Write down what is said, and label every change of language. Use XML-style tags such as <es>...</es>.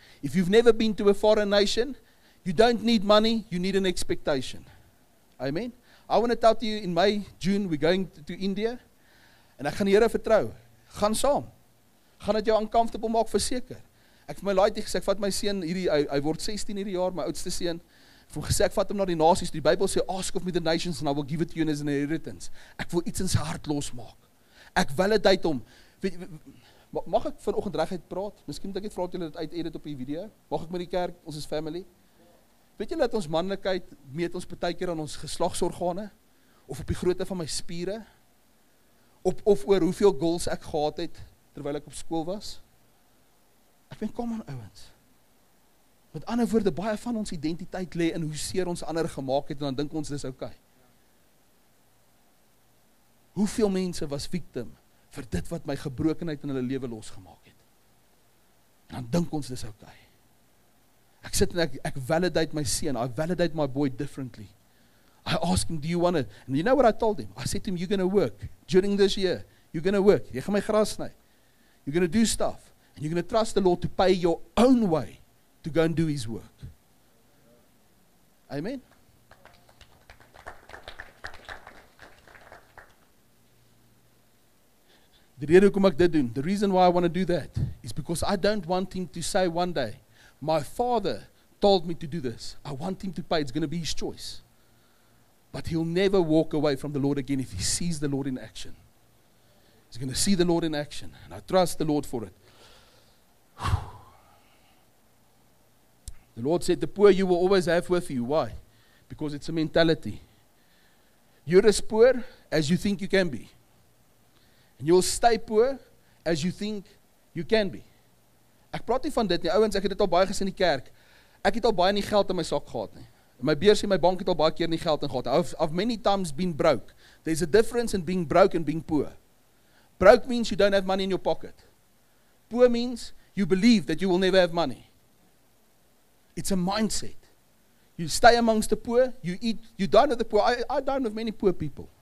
<en>If you've never been to a foreign nation, you don't need money, you need an expectation. Amen. I want to tell to you in May, June, we're going to India.</en> <af>En ek gaan die Here vertrou. Gaan saam. Gaan dit jou uncomfortable maak verseker. Ek vir my laaitjie gesê, ek vat my seun hierdie, hy word 16 hierdie jaar, my oudste seun. Ek vir gesê, ek vat hom na die nasies. Die Bybel sê,</af> <en>ask of me the nations and I will give it to you as an inheritance.</en> <af>Ek wil iets in sy hart losmaak. Ek wil het uit om. Mag ek vanoggend reguit praat? Miskien moet ek net vra of julle dit uit edit op die video. Mag ek met die kerk, ons is family. Weet julle dat ons manlikheid meet ons partykeer aan ons geslagsorgane of op die grootte van my spiere of oor hoeveel goals ek gehad het terwyl ek op skool was? Ek ben kom aan ouens. Met ander woorde, baie van ons identiteit lê in hoe seer ons ander gemaak het en dan dink ons dis okay. Hoeveel mense was victim vir dit wat my gebrokenheid in hulle lewe losgemaak het? En dan dink ons dis okay. Ek sit en ek validate my seun.</af> <en>I validate my boy differently. I ask him, do you want it? And you know what I told him? I said to him, you're going to work during this year. You're going to work.</en> <af>Jy gaan my gras sny.</af> <en>You're going to do stuff. And you're going to trust the Lord to pay your own way to go and do his work. Amen?</en> <af>Die rede hoekom ek dit doen,</af> <en>the reason why I want to do that is because I don't want him to say one day, my father told me to do this. I want him to pay. It's going to be his choice. But he'll never walk away from the Lord again if he sees the Lord in action. He's going to see the Lord in action. And I trust the Lord for it. The Lord said, the poor you will always have with you. Why? Because it's a mentality. You're as poor as you think you can be. And you'll stay poor as you think you can be.</en> <af>Ek praat nie van dit nie, ouens, ek het dit al baie gesê in die kerk. Ek het al baie nie geld in my sak gehad nie. In my beurs en my bank het al baie keer nie geld in gehad.</af> <en>I've many times been broke. There's a difference in being broke and being poor. Broke means you don't have money in your pocket. Poor means you believe that you will never have money. It's a mindset. You stay amongst the poor, you eat, you dine with the poor. I dine with many poor people.</en>